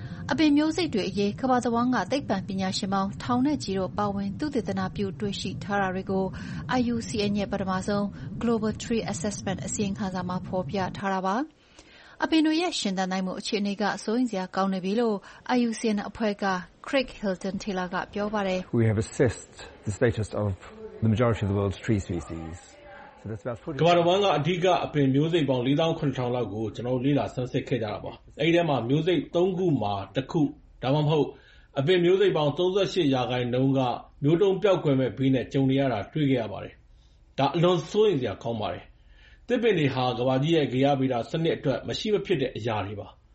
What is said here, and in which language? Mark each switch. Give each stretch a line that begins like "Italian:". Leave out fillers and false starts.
Burmese: အပင်မျိုးစိတ်တွေအရေးကမ္ဘာသဝန်းကသိပ္ပံပညာရှင်ပေါင်းထောင်နဲ့ကြီးတို့ပါဝင်သုတေသနပြုတွေ့ရှိထားတာတွေကို IUCN ရဲ့ပထမဆုံး Global Tree Assessment အစီရင်ခံစာမှာဖော်ပြထားတာပါအပင်တို့ရဲ့ရှင်သန်နိုင်မှုအခြေအနေကအစိုးရစရာကောင်းနေပြီလို့ IUCN အဖွဲ့က Craig Hilton Taylor ကပြောပါတယ်
English: We have assessed the status of the majority of the world's tree species. So that's about 40
Burmese: ကမ္ဘာတော်ကအဓိကအပင်မျိုးစိတ်ပေါင်း 48,000 လောက်ကိုကျွန်တော်လေ့လာဆန်းစစ်ခဲ့ကြတာပေါ့။အဲ့ဒီထဲမှာမျိုးစိတ်3ခုမှာတစ်ခုဒါမှမဟုတ်အပင်မျိုးစိတ်ပေါင်း38ရာခိုင်နှုန်းကမျိုးတုံးပျောက်ွယ်မဲ့ဘေးနဲ့ကျုံနေရတာတွေ့ခဲ့ရပါတယ်။ဒါအလွန်စိုးရိမ်စရာကောင်းပါတယ်။တစ်ပင်တွေဟာကဘာကြီးရဲ့ဂေယဗီရာစနစ်အတွက်မရှိမဖြစ်တဲ့အရာတွေပါ